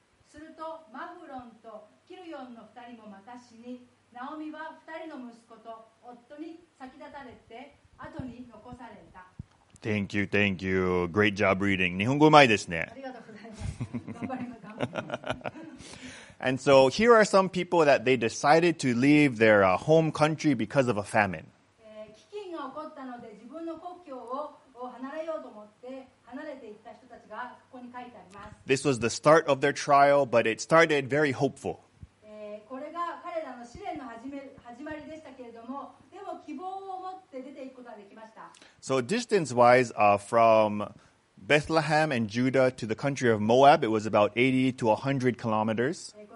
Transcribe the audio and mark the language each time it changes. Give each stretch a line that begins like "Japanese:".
Japanese: するとマフロンとキルヨンの二人もまた死に、ナオミは二人の息子と夫に先立たれて後に残された。
English: Thank you, thank you. Great job reading.
Japanese: 日本語うまいですね。ありがとうございます。頑張ります。
English: And so here are some people that they decided to leave their home country because of a famine.
Japanese: 飢饉が起こったので自分の故郷を離れようと思って離れていった人たちがここに書いてあります。
English: This was the start of their trial, but it started very hopeful.
Japanese: これが彼らの試練の始まりでしたけれども、でも希望を持って出ていくことができました。
English: So distance-wise, from Bethlehem and Judah to the country of Moab, it was about 80 to 100 kilometers.